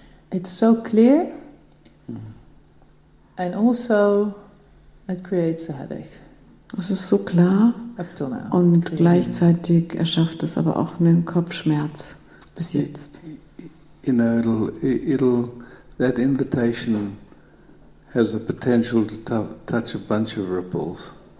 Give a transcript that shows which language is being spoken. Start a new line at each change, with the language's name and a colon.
English: It's so clear, and also it creates a headache.
German: Es ist so klar
English: up till now,
German: und gleichzeitig erschafft es aber auch einen Kopfschmerz bis jetzt.
English: You know, it'll that invitation has the potential to touch a bunch of ripples.